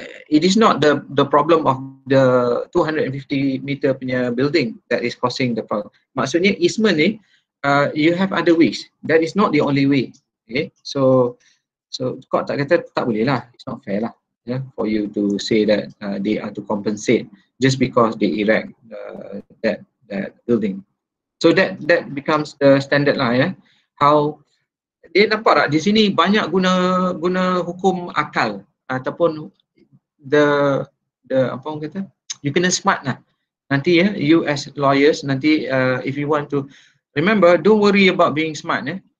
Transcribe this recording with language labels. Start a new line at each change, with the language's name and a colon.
English: It is not the problem of the 250 meter punya building that is causing the problem.
Malay: Maksudnya easement ni,
English: you have other ways. That is not the only way.
Malay: Okay, so court tak kata tak boleh lah.
English: It's not fair lah. Yeah, for you to say that they are to compensate just because they erect that building. So that becomes the standard lah. Yeah, how
Malay: dia nampak tak di sini banyak guna hukum akal ataupun
English: the
Malay: apa orang kata,
English: you kena smart lah nanti ya, you as lawyers nanti if you want to remember, don't worry about being smart ya.